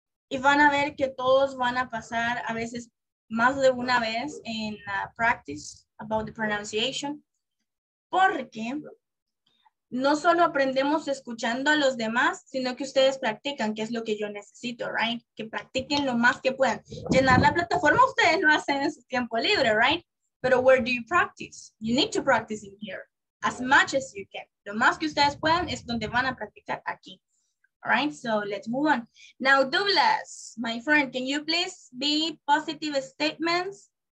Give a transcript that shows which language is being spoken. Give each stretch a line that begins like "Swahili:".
Spanish: Y van a ver que todos van a pasar a veces más de una vez en
English: practice about the pronunciation.
Spanish: Porque no solo aprendemos escuchando a los demás, sino que ustedes practican, que es lo que yo necesito, right? Que practiquen lo más que puedan. Llenar la plataforma, ustedes lo hacen en su tiempo libre, right?
English: Pero where do you practice? You need to practice in here as much as you can.
Spanish: Lo más que ustedes puedan es donde van a practicar aquí.
English: All right, so let's move on. Now, Douglas, my friend, can you please be positive statements?